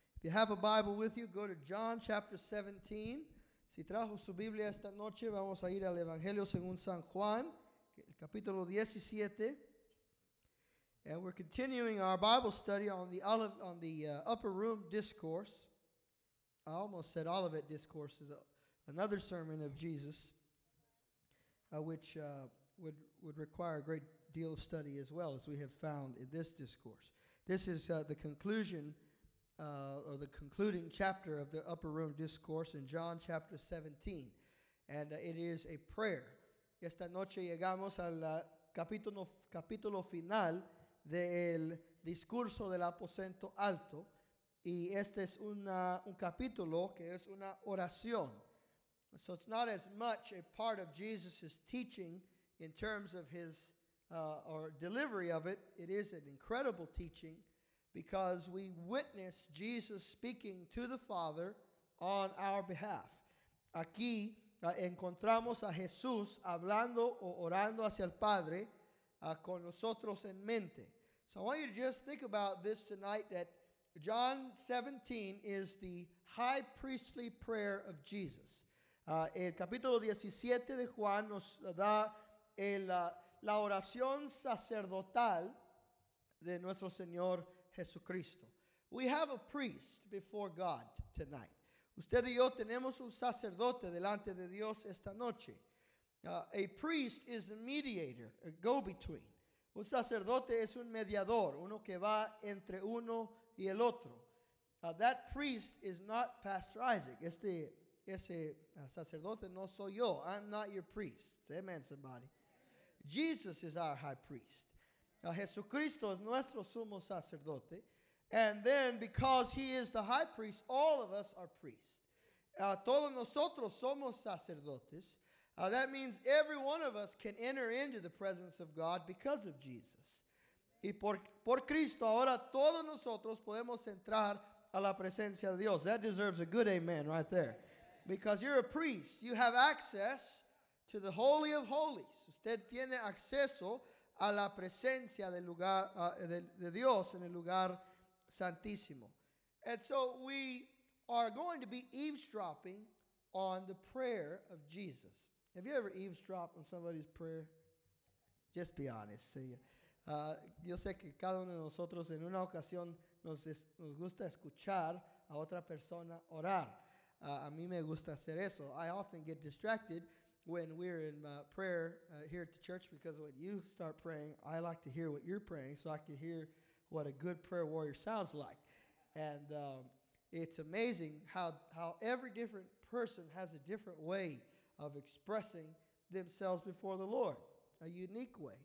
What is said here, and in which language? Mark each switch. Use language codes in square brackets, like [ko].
[en] If you have a Bible with you, go to John chapter 17. [es] Si trajo su Biblia esta noche, vamos a ir al Evangelio según San Juan, el capítulo 17. [en] And we're continuing our Bible study on the Upper Room Discourse. I almost said Olivet Discourse, is another sermon of Jesus, which would require a great deal of study as well, as we have found in this discourse. This is the conclusion or the concluding chapter of the Upper Room Discourse in John chapter 17. And it is a prayer. [es] Esta noche llegamos al capítulo final del discurso del aposento alto. Y este es un capítulo que es una oración. [en] So it's not as much a part of Jesus' teaching in terms of his or delivery of it. It is an incredible teaching, because we witness Jesus speaking to the Father on our behalf. [es] Aquí encontramos a Jesús hablando o orando hacia el Padre con nosotros en mente. [en] So I want you to just think about this tonight, that John 17 is the high priestly prayer of Jesus. [es] El capítulo 17 de Juan nos da la oración sacerdotal de nuestro Señor Jesucristo. [en] We have a priest before God tonight. [es] Usted y yo tenemos un sacerdote delante de Dios esta noche. [en] A priest is the mediator, a go-between. [es] Un sacerdote es un mediador, uno que va entre uno y el otro. [en] That priest is not Pastor Isaac. [es] Ese sacerdote no soy yo. [en] I'm not your priest. Say amen, somebody. Jesus is our high priest. [es] Jesucristo es nuestro sumo sacerdote. [en] And then, because he is the high priest, all of us are priests. [es] Todos nosotros somos sacerdotes. [en] That means every one of us can enter into the presence of God because of Jesus. [es] Y por Cristo, ahora todos nosotros podemos entrar a la presencia de Dios. [en] That deserves a good amen right there. Because you're a priest. You have access to the Holy of Holies. [es] Usted tiene acceso a la presencia del lugar de Dios en el lugar santísimo. [en] And so we are going to be eavesdropping on the prayer of Jesus. Have you ever eavesdropped on somebody's prayer? Just be honest. See? [es] Yo sé que cada uno de nosotros en una ocasión nos gusta escuchar a otra persona orar. A mí me gusta hacer eso. [en] I often get distracted when we're in prayer here at the church, because when you start praying, I like to hear what you're praying so I can hear what a good prayer warrior sounds like. And it's amazing how every different person has a different way of expressing themselves before the Lord, a unique way.